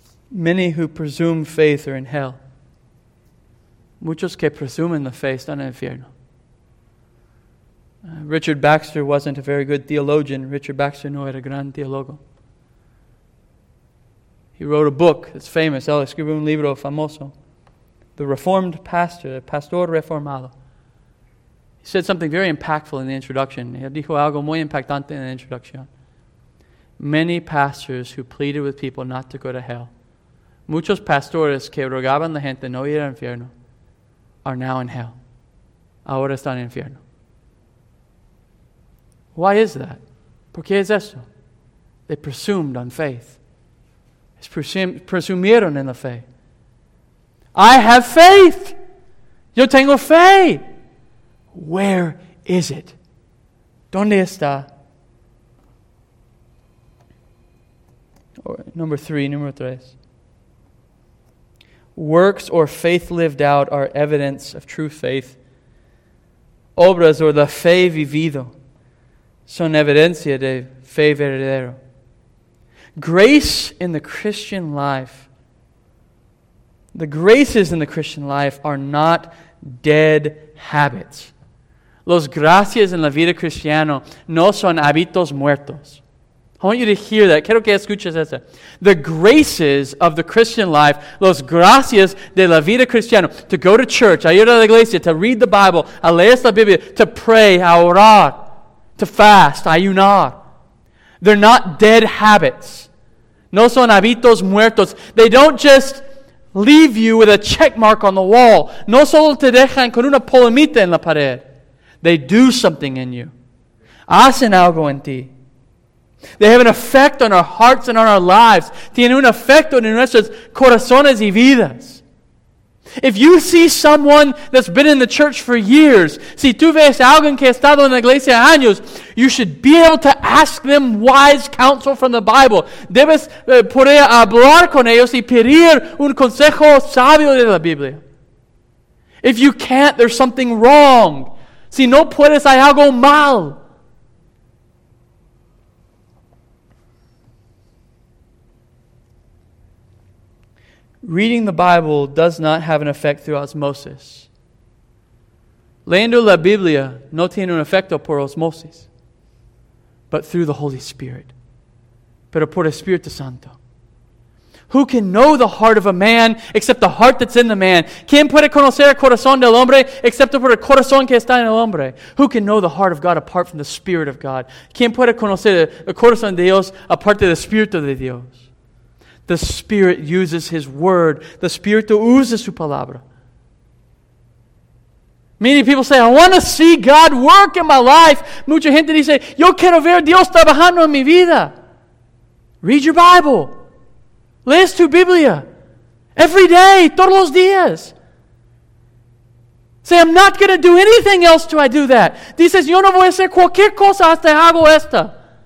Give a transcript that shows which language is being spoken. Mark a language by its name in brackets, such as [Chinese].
[English] Many who presume faith are in hell. [Spanish] Muchos que presumen la fe están en el infierno. [English] Richard Baxter wasn't a very good theologian. [Spanish] Richard Baxter no era gran teólogo. [English] He wrote a book that's famous. [Spanish] Él escribió un libro famoso. [English] The Reformed Pastor, el Pastor Reformado. He said something very impactful in the introduction. [Spanish] Él dijo algo muy impactante en la introducción. [English] Many pastors who pleaded with people not to go to hell. [Spanish] Muchos pastores que rogaban la gente no ir al infierno. [English] Are now in hell. [Spanish] Ahora están en infierno. [English] Why is that? [Spanish] ¿Por qué es eso? [English] They presumed on faith. [Spanish] Presumieron en la fe. [English] I have faith. [Spanish] Yo tengo fe. [English] Where is it? [Spanish] ¿Dónde está? Número tres. [English] Works or faith lived out are evidence of true faith. [Spanish] Obras or la fe vivido son evidencia de fe verdadero. [English] Grace in the Christian life, the graces in the Christian life are not dead habits. [Spanish] Los gracias en la vida cristiana no son hábitos muertos. [English] I want you to hear that. [Spanish] Quiero que escuches eso. [English] The graces of the Christian life, [Spanish] los gracias de la vida cristiana, [English] to go to church, [Spanish] a ir a la iglesia, [English] to read the Bible, [Spanish] a leer la Biblia, [English] to pray, [Spanish] a orar, [English] to fast, [Spanish] a ayunar. [English] They're not dead habits. [Spanish] No son hábitos muertos. [English] They don't just leave you with a check mark on the wall. [Spanish] No solo te dejan con una palomita en la pared. [English] They do something in you. [Spanish] Hacen algo en ti. [English] They have an effect on our hearts and on our lives. [Spanish] Tienen un efecto en nuestros corazones y vidas. [English] If you see someone that's been in the church for years, [Spanish] si tú ves a alguien que ha estado en la iglesia años, [English] you should be able to ask them wise counsel from the Bible. [Spanish] Debes poder hablar con ellos y pedir un consejo sabio de la Biblia. [English] If you can't, there's something wrong. [Spanish] Si no puedes, hay algo mal. [English] Reading the Bible does not have an effect through osmosis. [Spanish] Leyendo la Biblia no tiene un efecto por osmosis, [English] but through the Holy Spirit. [Spanish] Pero por Espíritu Santo. [English] Who can know the heart of a man except the heart that's in the man? [Spanish] ¿Quién puede conocer el corazón del hombre excepto por el corazón que está en el hombre? [English] Who can know the heart of God apart from the Spirit of God? [Spanish] ¿Quién puede conocer el corazón de Dios aparte del Espíritu de Dios? [English] The Spirit uses His Word. The Spirit uses [Spanish] Su Palabra. [English] Many people say, I want to see God work in my life. [Spanish] Mucha gente dice, yo quiero ver Dios trabajando en mi vida. [English] Read your Bible. [Spanish] Lees tu Biblia. [English] Every day, [Spanish] todos los días. [English] Say, I'm not going to do anything else till I do that. [Spanish] Dices, yo no voy a hacer cualquier cosa hasta hago esta.